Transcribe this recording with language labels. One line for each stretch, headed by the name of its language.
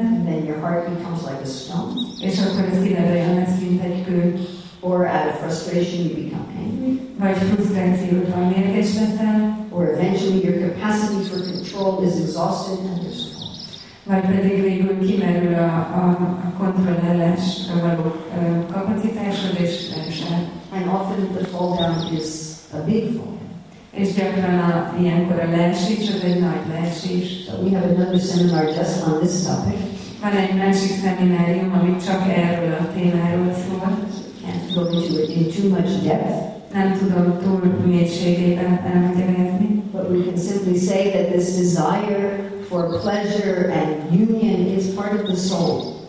English: And then your heart becomes like a stone.
Hungarian: És akkor a szíved olyan lesz, mint egy kő.
English: Or out of frustration you become angry.
Hungarian: Vagy frusztrációban mérges leszel.
English: Or eventually your capacity for control is exhausted and
Hungarian: vagy pedig végül kimerül a kontrollálás való kapacitásod és teljesen.
English: And often the fall down is a big fall.
Hungarian: És gyakran ilyenkor a leesés, az egy nagy leesés.
English: So we have another seminar just on this topic.
Hungarian: Van egy másik szeminárium, ami csak erről a témáról szól.
English: Can't go into it in too much depth.
Hungarian: Nem tudom túl mélységében elmagyarázni.
English: But we can simply say that this desire for pleasure and union is part of the soul.